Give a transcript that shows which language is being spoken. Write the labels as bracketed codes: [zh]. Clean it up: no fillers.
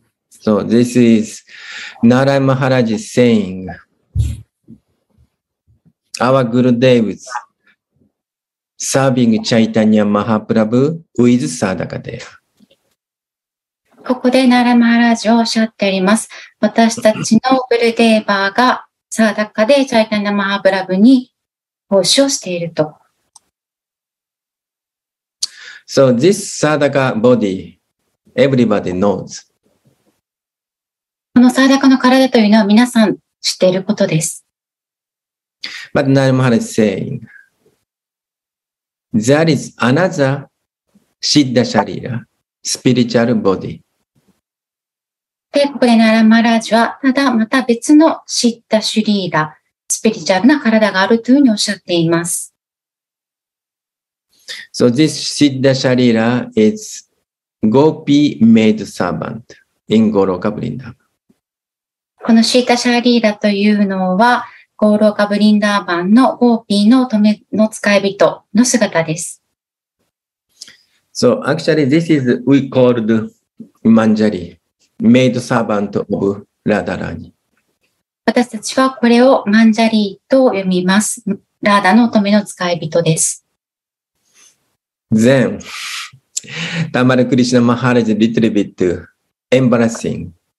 [en] So this is Narayan Maharaj saying, our Gurudev is serving Chaitanya Mahaprabhu with Sadaka Deva. [ja] ここで奈良マハラジをおっしゃっております。私たちのグルデーバーがサーダカでチャイタニャマハプラブに奉仕をしていると。 [en] So this sadaka body, everybody knows. [ja] このサダカの体というのは皆さん知っていることです。 [en] But Narayana Maharaj is saying, there is another Siddha Sharira, spiritual body. [ja] で、ここでナラマラージはただまた別のシッダシュリーラ、スピリチュアルな体があるというふうにおっしゃっています。 [en] So this Siddha Sharira is Gopi made servant in Goloka Vrindavan. [ja] このシッダシャリーラというのはゴーローカブリンダーバンのゴーピーの乙女の使い人の姿です。 [en] So actually this is we called Manjari. メイドサーバントオブラダラニ。 [ja] 私たちはこれをマンジャリーと読みます。ラーダの乙女の使い人です。 [en] Then, Tamara Krishna Maharaj is a little bit embarrassing.